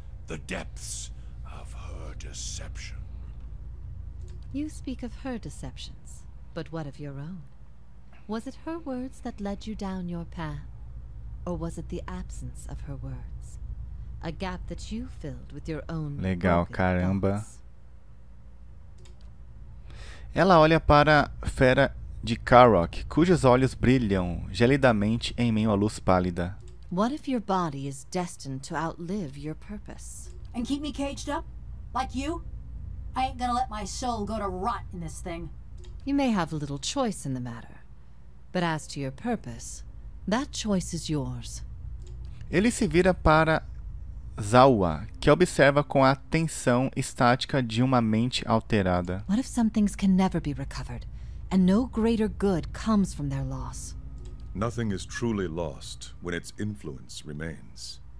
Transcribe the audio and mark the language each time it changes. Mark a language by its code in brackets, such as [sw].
[en] The depths of her deception. You speak of her deceptions, but what of your own? Was it her words that led you down your path? Or was it the absence of her words? A gap that you filled with your own... [pt] Legal, caramba. Ela olha para a fera de Karrock, cujos olhos brilham gelidamente em meio à luz pálida. [en] What if your body is destined to outlive your purpose? And keep me caged up? Like you? I ain't gonna let my soul go to rot in this thing. You may have a little choice in the matter. But as to your purpose, that choice is yours. [pt] Ele se vira para Zawa, que observa com a atenção estática de uma mente alterada. [en] What if some things can never be recovered, and no greater good comes from their loss? Nothing is truly lost when its influence remains.